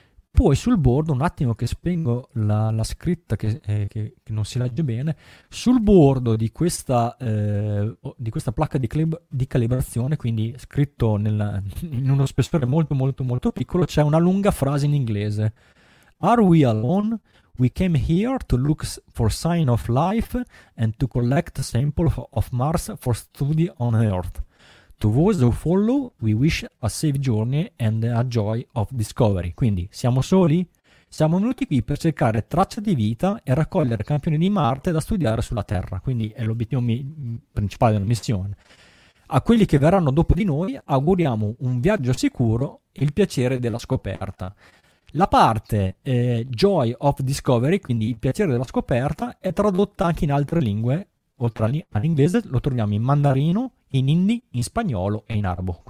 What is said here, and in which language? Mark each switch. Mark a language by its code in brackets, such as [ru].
[it] Poi sul bordo, un attimo che spengo la scritta che non si legge bene, sul bordo di questa placca di calibrazione, quindi scritto in uno spessore molto molto molto piccolo, c'è una lunga frase in inglese: [en] Are we alone? We came here to look for sign of life and to collect samples of Mars for study on Earth. To those who follow, we wish a safe journey and a joy of discovery. [it] Quindi, siamo soli? Siamo venuti qui per cercare tracce di vita e raccogliere campioni di Marte da studiare sulla Terra. Quindi, è l'obiettivo principale della missione. A quelli che verranno dopo di noi, auguriamo un viaggio sicuro e il piacere della scoperta. La parte Joy of Discovery, quindi il piacere della scoperta, è tradotta anche in altre lingue, oltre all'inglese, lo troviamo in mandarino, in hindi, in spagnolo e in arabo.